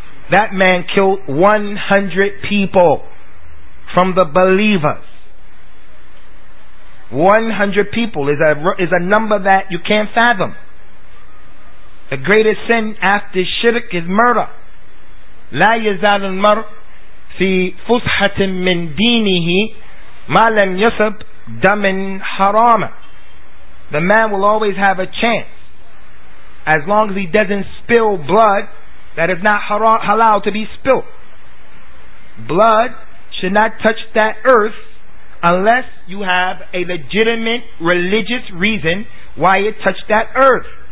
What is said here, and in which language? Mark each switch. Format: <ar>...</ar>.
<en>That man killed 100 people from the believers. 100 people is a number that you can't fathom. The greatest sin after shirk is murder.</en> <ar>لا يزال المرء في فسحة من دينه ما لم يصب دما حراما.</ar> <en>The man will always have a chance as long as he doesn't spill blood that is not halal to be spilled. Blood should not touch that earth unless you have a legitimate religious reason why it touched that earth.</en>